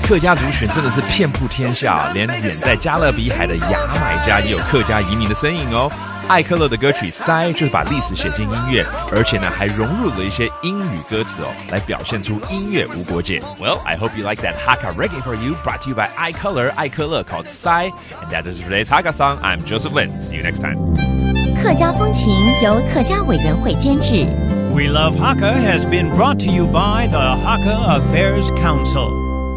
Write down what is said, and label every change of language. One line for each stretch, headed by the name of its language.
Chinese: 客家族群真的是遍布天下，连远在加勒比海的牙买加也有客家移民的身影哦。愛客樂的歌曲《塞》就是把历史写进音乐，而且呢还融入了一些英语歌词哦，来表现出音乐无国界。
English: Well, I hope you like that Hakka reggae for you, brought to you by iColor, 愛客樂 called Sai. And that is today's Hakka song. I'm Joseph Lin. See you next time.
Chinese: 客家风情由客家委员会监制。
English: We Love Hakka has been brought to you by the Hakka Affairs Council.